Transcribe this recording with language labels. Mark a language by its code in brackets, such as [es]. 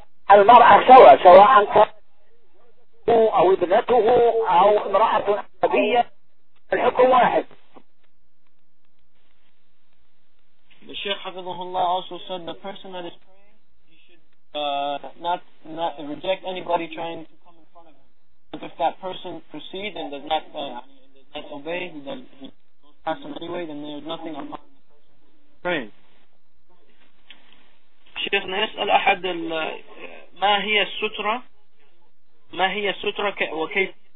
[ar] المرأة سواء كانت أو ابنته أو امرأة عربية الحكم واحد. [en] الشيخ حفظه الله also said the person that is praying he should not reject anybody trying to come in front of him. But if that person proceeds and does not obey, then he goes past him anyway, then there's nothing upon the person praying. [ar] الشيخ يسأل أحد ما هي السترة ما هي السترة وكيف